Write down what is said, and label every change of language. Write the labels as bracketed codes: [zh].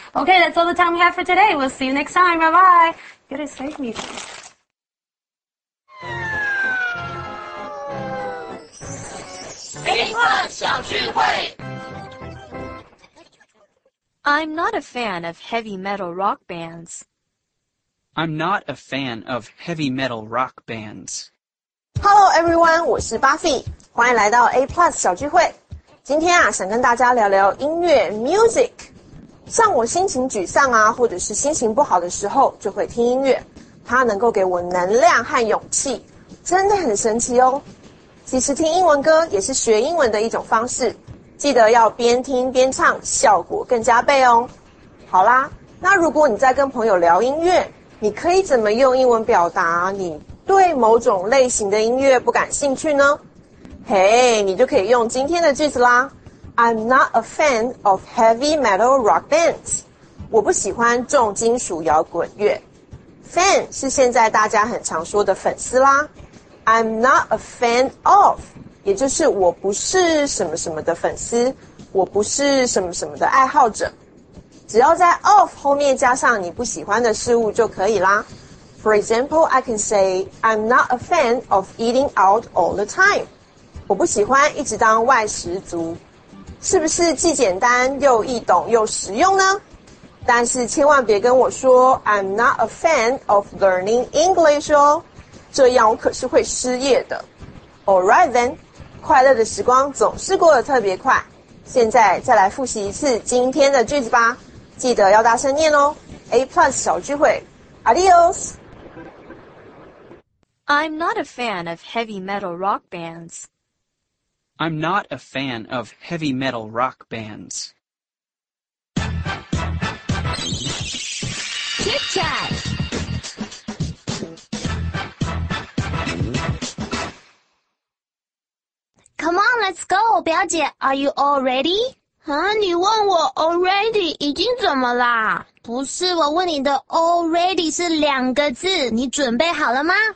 [en] Okay, that's all the time we have for today. We'll see you next time. Bye-bye. You gotta save me first. I'm not a fan of heavy metal rock bands. I'm not a fan of heavy metal rock bands. Hello, everyone. [zh] 我是 Buffy. 欢迎来到 A Plus 小聚会。今天啊，想跟大家聊聊音乐 music。像我心情沮丧啊，或者是心情不好的时候，就会听音乐。它能够给我能量和勇气，真的很神奇哦。其实听英文歌也是学英文的一种方式，记得要边听边唱，效果更加倍哦。好啦，那如果你在跟朋友聊音乐，你可以怎么用英文表达你对某种类型的音乐不感兴趣呢？你就可以用今天的句子啦。 [en] I'm not a fan of heavy metal rock bands. [zh] 我不喜欢重金属摇滚乐。Fan 是现在大家很常说的粉丝啦。 [en] I'm not a fan of, [zh] 也就是我不是什么什么的粉丝，我不是什么什么的爱好者。只要在 of 后面加上你不喜欢的事物就可以啦。 [en] For example, I can say, I'm not a fan of eating out all the time. [zh] 我不喜欢一直当外食族。是不是既简单又易懂又实用呢？但是千万别跟我说 [en] I'm not a fan of learning English [zh] 哦。这样我可是会失业的。 [en] Alright then, [zh] 快乐的时光总是过得特别快。现在再来复习一次今天的句子吧。记得要大声念哦。 A Plus 小聚会 ,Adios! [en] I'm not a fan of heavy metal rock bands. I'm not a fan of heavy metal rock bands. Tic Tac! Come on, let's go, [zh] 表姐 [en] Are you all ready? [zh] 啊，你问我 already 已经怎么啦？不是，我问你的 already 是两个字，你准备好了吗？